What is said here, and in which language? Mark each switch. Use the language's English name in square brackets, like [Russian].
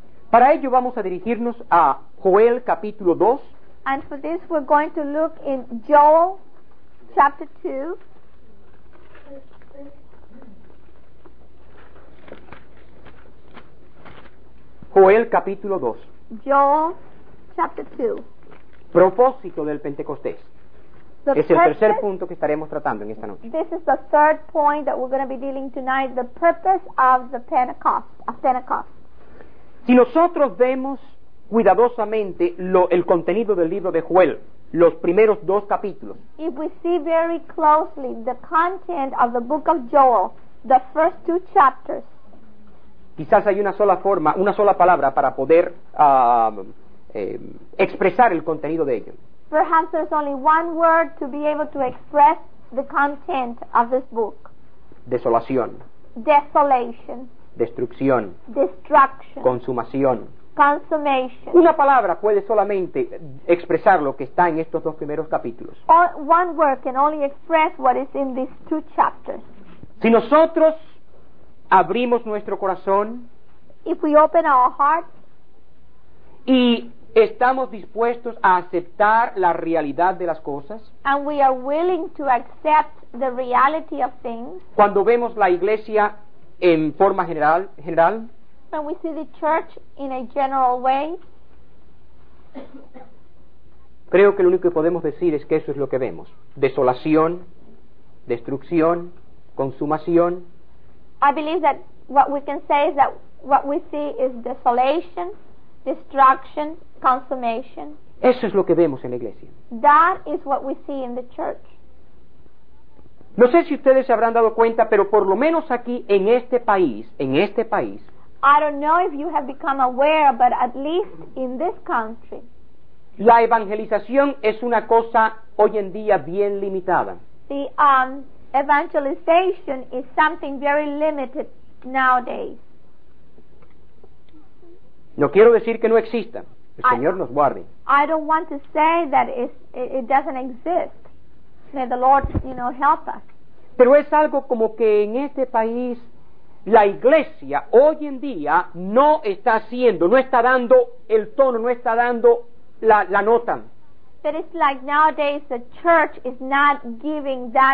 [Spanish] Para ello vamos a dirigirnos a Joel capítulo 2. [English] And for this we're going to look in Joel chapter 2. [Spanish] Joel capítulo 2. [English] Joel chapter 2. [Spanish] Propósito del Pentecostés. Es el tercer punto que estaremos tratando en esta noche. [English] This is the third point that we're going to be dealing tonight, the purpose of the Pentecost, of Pentecost. [Spanish] Si nosotros vemos cuidadosamente el contenido del libro de Joel, los primeros dos capítulos. [English] If we see very closely the content of the book of Joel, the first two chapters. [Spanish] Quizás hay una sola forma, una sola palabra para poder expresar el contenido de ello. [English] Perhaps there's only one word to be able to express the content of this book. [Spanish] Desolación. [English] Desolation. [Spanish] Destrucción. [English] Destruction. [Spanish] Consumación. [English] Consummation. [Spanish] Una palabra puede solamente expresar lo que está en estos dos primeros capítulos. [English] One word can only express what is in these two chapters. [Spanish] Si nosotros abrimos nuestro corazón, [English] if we open our hearts, [Spanish] y estamos dispuestos a aceptar la realidad de las cosas, [English] and we are willing to accept the reality of things, [Spanish] cuando vemos la iglesia en forma general, [English] when we see the church in a general way, [Spanish] creo que lo único que podemos decir es que eso es lo que vemos: desolación, destrucción, consumación. [English] I believe that what we can say is that what we see is desolation, destruction, consummation. [Spanish] Eso es lo que vemos en la iglesia. [English] That is what we see in the church. [Spanish] No sé si ustedes se habrán dado cuenta, pero por lo menos aquí en este país. [English] I don't know if you have become aware, but at least in this country. [Spanish] La evangelización es una cosa hoy en día bien limitada. [English] Evangelization is something very limited nowadays. [Spanish] No quiero decir que no exista. El Señor nos guarde. [English] I don't want to say that it doesn't exist. May the Lord, you know, help us. [Spanish] Pero es algo como que en este país la iglesia hoy en día no está haciendo, no está dando el tono, no está dando la nota. [English] But it's like nowadays the church is not giving